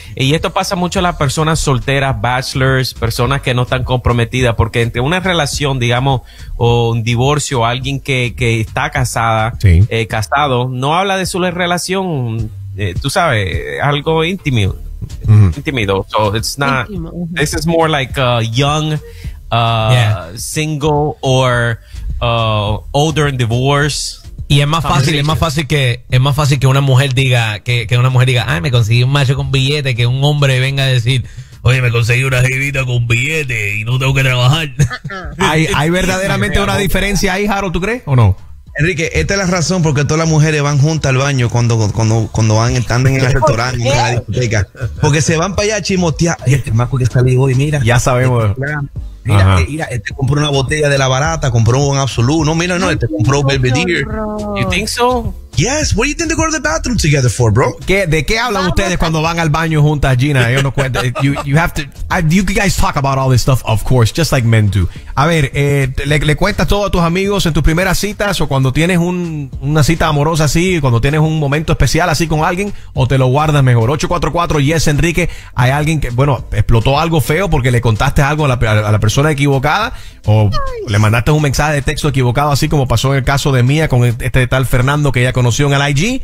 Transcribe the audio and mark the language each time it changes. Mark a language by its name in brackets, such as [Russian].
[Spanish] Y esto pasa mucho a las personas solteras, bachelors, personas que no están comprometidas, porque entre una relación, digamos, o un divorcio, alguien que está casada, sí. Casado, no habla de su relación, tú sabes, algo íntimo, íntimo. [English] So it's not. This is more like a young, single or older and divorced. [Spanish] Y es más fácil que una mujer diga que una mujer diga, ay, me conseguí un macho con billete, que un hombre venga a decir, oye, me conseguí una jevita con billete y no tengo que trabajar. Hay verdaderamente una diferencia ahí, Harold, ¿tú crees o no? Enrique, esta es la razón porque todas las mujeres van juntas al baño cuando van, están en el restaurante, en la discoteca, porque se van para allá a chismotear. Y este maco que salió hoy, mira, ya sabemos. Mira, este compró una botella de la barata, compró un Absolut. No, mira, no, este compró Belvedere. [English] You think so? Yes. What do you think they go to the bathroom together for, bro? [Spanish] ¿De qué hablan ustedes cuando van al baño juntas, Gina? Yo no cuento. [English] You have to. You guys talk about all this stuff, of course, just like men do. [Spanish] A ver, ¿le cuentas todo a tus amigos en tus primeras citas o cuando tienes una cita amorosa así, cuando tienes un momento especial así con alguien, o te lo guardas mejor? 844, yes, Enrique. Hay alguien que, bueno, explotó algo feo porque le contaste algo a la persona equivocada o le mandaste un mensaje de texto equivocado, así como pasó en el caso de Mía con este tal Fernando que ella conoció en el IG.